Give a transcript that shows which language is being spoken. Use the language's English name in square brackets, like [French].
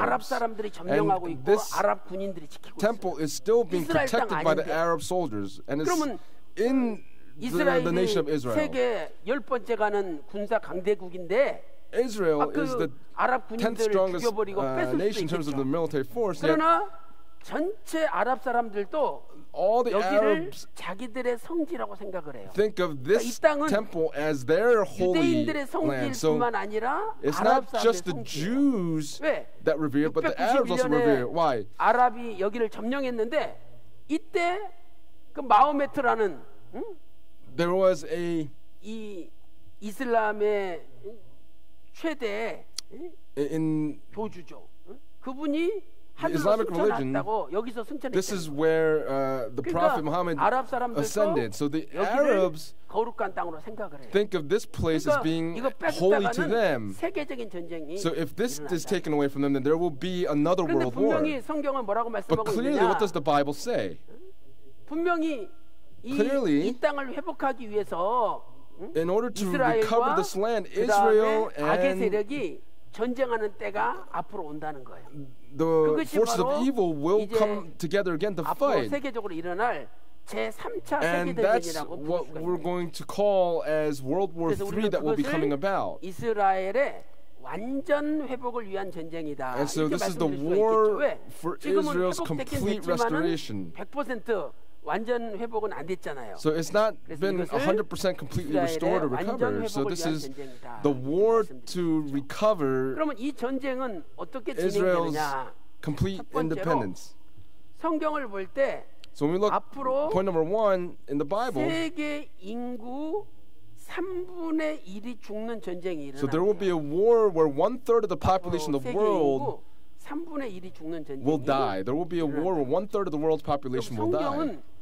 [Korean] 아랍 사람들이 점령하고 있고 아랍 군인들이 지키고 있어요. [English] Temple is still being protected by the Arab soldiers and it's in the nation of Israel. [Korean] 세계 열 번째 가는 군사 강대국인데 [English] Israel is the [Korean] 아랍 [English] 10th strongest nation in terms of the military force. [Korean] 그러나 전체 아랍 사람들도 [English] all the Arabs [Korean] 자기들의 성지라고 생각을 해요. [English] Think of this temple as their holy land. [Korean] 유대인들의 성지뿐만 아니라 [English] it's not just the Jews that revere, but the Arabs also revere. Why? [Korean] 아랍이 여기를 점령했는데 이때 그 마호메트라는 [English] there was a [Korean] 이 이슬람의 최대 [English] in [Korean] 교주죠. 그분이 [English] Islamic religion. This is where the Prophet Muhammad ascended. So the Arabs think of this place as being holy to them. So if this is taken away from them, then there will be another world war. But clearly, what does the Bible say? Clearly, in order to recover this land, Israel and [Korean] 전쟁하는 때가 앞으로 온다는 거예요. [English] The forces of evil will come together again to fight. [Korean] 앞으로 세계적으로 일어날 제3차 세계대전이라고 [English] And that's what we're going to call as World War III that will be coming about. [Korean] 이스라엘의 완전 회복을 위한 전쟁이다. [English] And so this is the war for Israel's complete restoration. 100% [Korean] 완전 회복은 안 됐잖아요. [English] So it's not been 100% completely restored or recovered. So this is the war to recover. [Korean] 그러면 이 전쟁은 어떻게 진행되느냐? [English] Complete independence. [Korean] 성경을 볼 때 [English] So when we look point number one in the Bible. [Korean] 세계 인구 3분의 1이 죽는 전쟁이 일어나. [English] So there will be a war where one third of the population of the world [Korean] 3분의 1이 죽는 전쟁이 [English] will die. There will be a war where one third of the world's population will die.